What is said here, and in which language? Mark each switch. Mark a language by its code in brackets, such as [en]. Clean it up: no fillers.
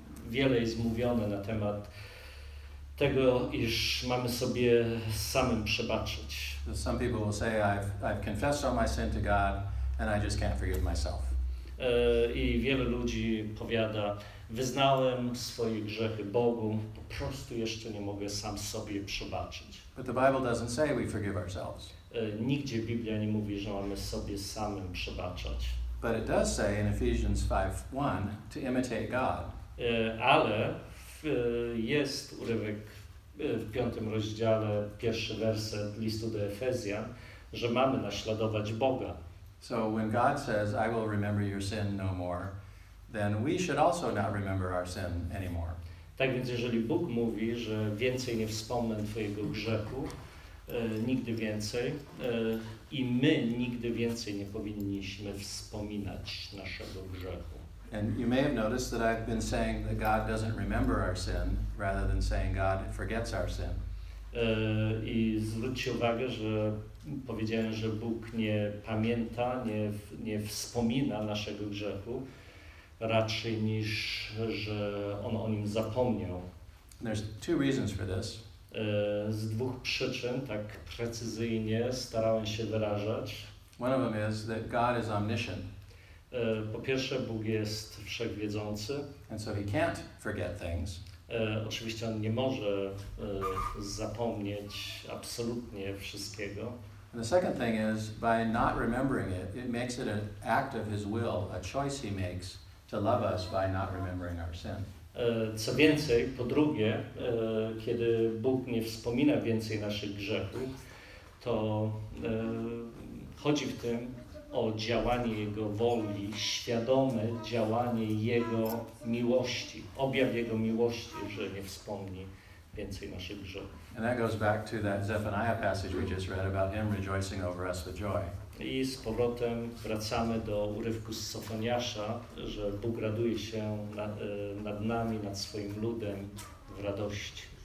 [pl] Wiele jest mówione na temat tego, iż mamy sobie samym przebaczyć. [en] Some people will say, I've confessed all my sin to God, and I just can't forgive myself. [pl] I wiele ludzi powiada, wyznałem swoje grzechy Bogu, po prostu jeszcze nie mogę sam sobie przebaczyć. [en] But the Bible doesn't say we forgive ourselves. [pl] Nigdzie Biblia nie mówi, że mamy sobie samym przebaczać. [en] But it does say in Ephesians 5:1 to imitate God. [pl] Ale jest urywek w 5 rozdziale, pierwszy werset listu do Efezjan, że mamy naśladować Boga. [en] So when God says, I will remember your sin no more, then we should also not remember our sin anymore. [pl] Tak więc, jeżeli Bóg mówi, że więcej nie wspomnę twojego grzechu, nigdy więcej, i my nigdy więcej nie powinniśmy wspominać naszego grzechu. [en] And you may have noticed that I've been saying that God doesn't remember our sin, rather than saying God forgets our sin. [pl] I zwróćcie uwagę, że powiedziałem, że Bóg nie pamięta, nie wspomina naszego grzechu. raczej niż że on o nim zapomniał. [en] There's two reasons for this. [pl] Z dwóch przyczyn, tak precyzyjnie starałem się wyrażać. [en] One of them is that God is omniscient. [pl] Po pierwsze, Bóg jest wszechwiedzący. [en] And so he can't forget things. [pl] Oczywiście on nie może zapomnieć absolutnie wszystkiego. [en] And the second thing is, by not remembering it, it makes it an act of his will, a choice he makes to love us by not remembering our sin. [pl] Co więcej, po drugie, kiedy Bóg nie wspomina więcej naszych grzechów, to chodzi w tym o działanie Jego woli, świadome działanie Jego miłości, objaw Jego miłości, że nie wspomni więcej naszych grzechów. [en] And that goes back to that Zephaniah passage we just read about him rejoicing over us with joy. [pl] I z powrotem wracamy do urywku z Sofoniasza, że Bóg raduje się nad nami, nad swoim ludem w radości.